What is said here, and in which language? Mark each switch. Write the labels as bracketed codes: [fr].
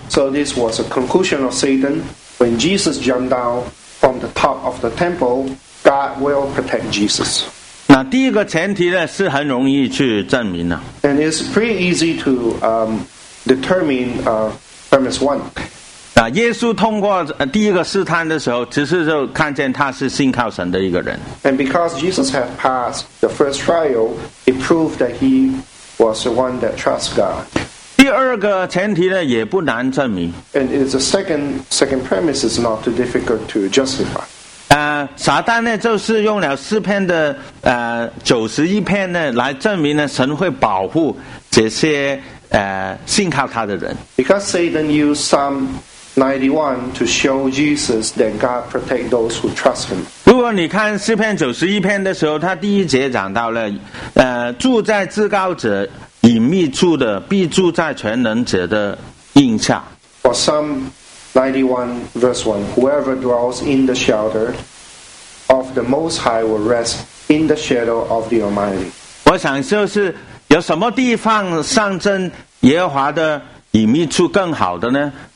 [en] So this was a conclusion of Satan when Jesus jumped down. From the top of the temple, God will protect Jesus. [zh] 那第一个前提呢，是很容易去证明的。 [en] And it's pretty easy to determine premise one. [zh] 那耶稣通过第一个试探的时候，其实就看见他是信靠神的一个人。 [en] And because Jesus had passed the first trial, it proved that he was the one that trusts God. [zh] 第二个前提呢，也不难证明。 [en] And it's a second premise is not too difficult to justify. [zh] 撒旦呢，就是用了诗篇的91篇呢，来证明呢，神会保护这些信靠他的人。 [en] Because Satan used Psalm 91 to show Jesus that God protects those who trust him. [zh] 如果你看诗篇91篇的时候，他第一节讲到了，住在至高者。隐秘处的必住在全能者的荫下。 [en] For Psalm 91 verse 1, whoever dwells in the shelter of the Most High will rest in the shadow of the Almighty. [zh] 我想就是有什么地方上证耶和华的隐秘处更好的呢？